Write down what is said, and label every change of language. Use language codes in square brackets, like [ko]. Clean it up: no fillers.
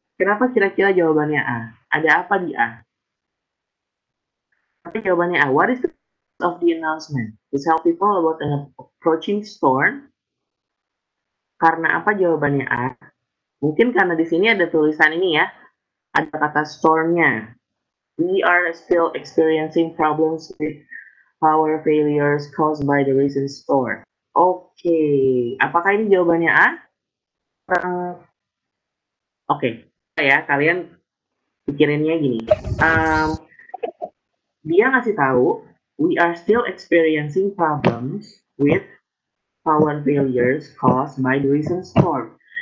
[id] Kenapa kira-kira jawabannya A? Ada apa di A? Tapi jawabannya A. [en] What is the purpose of the announcement? To tell people about an approaching storm. [id] Karena apa jawabannya A? Mungkin karena di sini ada tulisan ini ya. Ada kata storm-nya. [en] We are still experiencing problems with power failures caused by the recent storm. [id] Oke. Apakah ini jawabannya A? Oke. Okay. Ya, kalian pikirinnya gini, dia ngasih tahu [en] we are still experiencing problems with power failures caused by the recent storm.